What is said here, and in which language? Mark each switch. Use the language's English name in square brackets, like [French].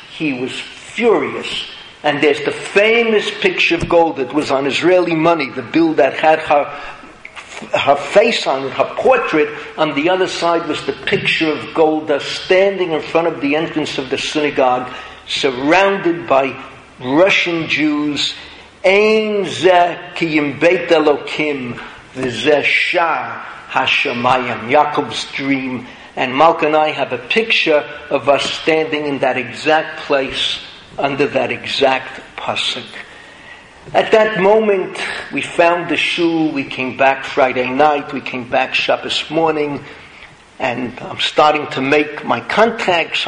[English] He was furious. And there's the famous picture of Golda that was on Israeli money, the bill that had her face on it, her portrait. On the other side was the picture of Golda standing in front of the entrance of the synagogue, surrounded by Russian Jews. [Hebrew] Ein zeh ki im beit Elokim v'zeh shar hashamayim. [English] Yaakov's dream. And Malka and I have a picture of us standing in that exact place under that exact pasuk. At that moment, we found the shul. We came back Friday night. We came back Shabbos morning. And I'm starting to make my contacts.